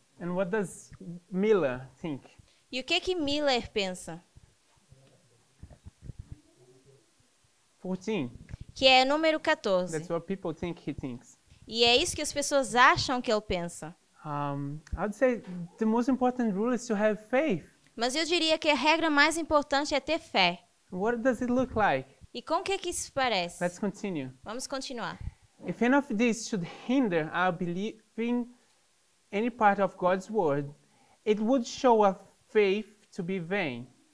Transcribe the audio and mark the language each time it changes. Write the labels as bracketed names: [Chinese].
[English] And what does Miller think? [Portuguese] E o que que Miller pensa? [English] 14. [Portuguese] Que é número 14. [English] That's what people think he thinks. [Portuguese] E é isso que as pessoas acham que ele pensa. [English] I'd say the most important rule is to have faith. [Portuguese] Mas eu diria que a regra mais importante é ter fé. [English] What does it look like? [Portuguese] E com o que, que isso parece? [English] Let's continue. [Portuguese] Vamos continuar. [English] If any of this should hinder our believing any part of God's word, it would show a faith to be vain.